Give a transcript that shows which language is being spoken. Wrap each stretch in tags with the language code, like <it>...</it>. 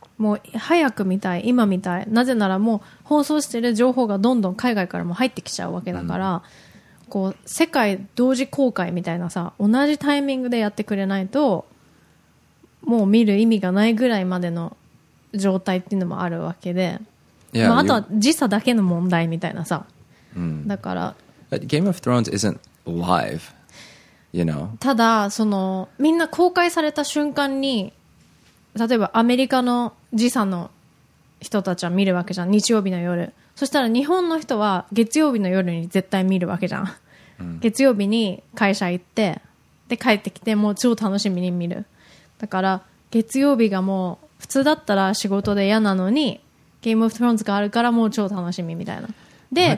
<ja>もう早く見たい、今見たい。なぜならもう放送してる情報がどんどん海外からも入ってきちゃうわけだから、こう世界同時公開みたいなさ、同じタイミングでやってくれないと、もう見る意味がないぐらいまでの状態っていうのもあるわけで、</ja> <en>yeah,</en> <ja>まあ、あとは時差だけの問題みたいなさ、だから、</ja> <en>But Game of Thrones isn't live, you know?</en> <ja>ただそのみんな公開された瞬間に。例えばアメリカの時差の人たちは見るわけじゃん日曜日の夜そしたら日本の人は月曜日の夜に絶対見るわけじゃん、月曜日に会社行ってで帰ってきてもう超楽しみに見るだから月曜日がもう普通だったら仕事で嫌なのにゲームオブスローンズがあるからもう超楽しみみたいなで</ja>